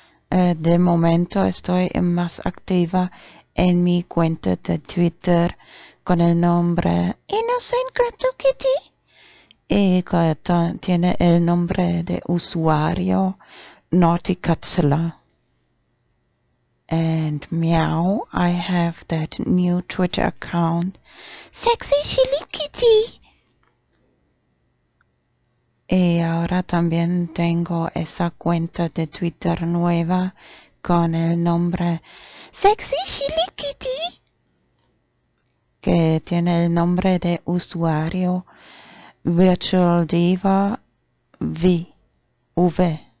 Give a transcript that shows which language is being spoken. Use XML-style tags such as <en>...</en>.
<es>De momento estoy más activa en mi cuenta de Twitter con el nombre Innocent Crypto Kitty. Y tiene el nombre de usuario Naughty Katsula.</es> <en>And meow, I have that new Twitter account. Sexy Chili Kitty.</en> <es>Y ahora también tengo esa cuenta de Twitter nueva con el nombre Sexy Chili Kitty. Que tiene el nombre de usuario Virtual Diva V.</es>